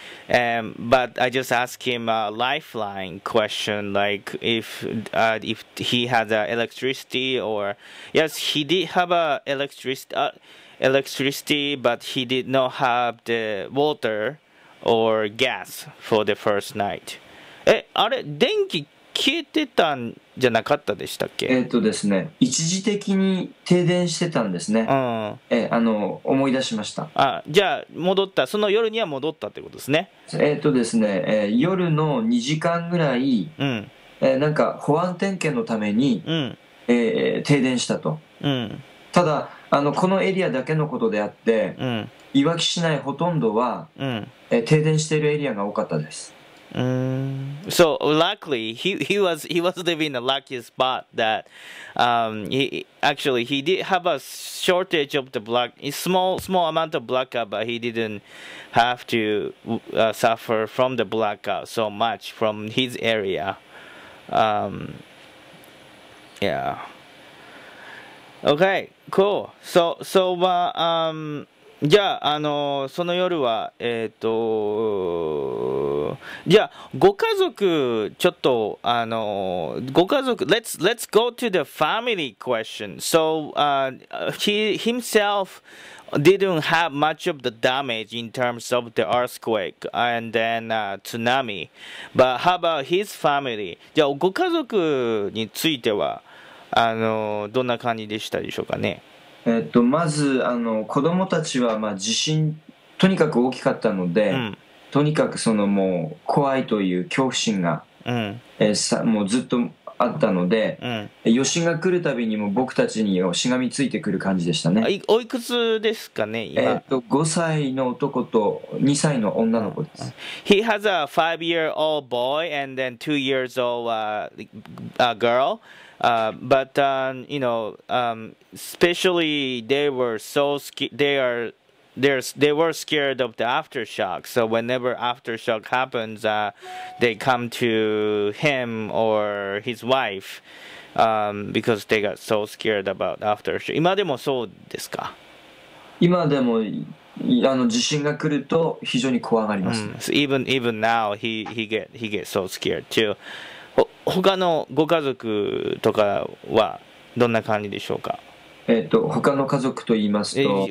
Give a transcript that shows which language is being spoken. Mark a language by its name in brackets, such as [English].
[English] But I just asked him a lifeline question, like if he has electricity or... Yes, he did have electricity, but he did not have the water or gas for the first night. [Japanese] あれ、電気消えてたんじゃなかったでしたっけ？ですね、一時的に停電してたんですね。うん、思い出しました。あ、じゃあ戻った。その夜には戻ったってことですね。ですね、夜の2時間ぐらい、うん、なんか保安点検のために、うん、停電したと。うん、ただこのエリアだけのことであって、うん、いわき市内ほとんどは、うん、停電しているエリアが多かったです。 [English] So luckily he was living in a lucky spot that he did have a shortage of the black small amount of blackout, but he didn't have to suffer from the blackout so much from his area. Okay, cool. So [Japanese] じゃあ、その夜は、じゃあ、ご家族、ちょっと、ご家族、 [English] let's go to the family question. So, he himself didn't have much of the damage in terms of the earthquake and then, tsunami. But how about his family? [Japanese] じゃあ、ご家族については、どんな感じでしたでしょうかね。まず子供たちは、まあ、地震とにかく大きかったので、とにかくそのもう怖いという恐怖心が、もうずっとあったので、余震が来るたびにも僕たちにしがみついてくる感じでしたね。おいくつですかね、今。 5歳の男と2歳の女の子です。 [English] He has a 5-year-old boy and then 2-year-old girl. But, you know, especially they were scared of the aftershock. So whenever aftershock happens, they come to him or his wife, because they got so scared about aftershock. [Japanese] 今でもそうですか？今でも地震が来ると非常に怖がりますね。 [English] So even now he get so scared too. [Japanese] 他のご家族とかはどんな感じでしょうか？他の家族と言いますと、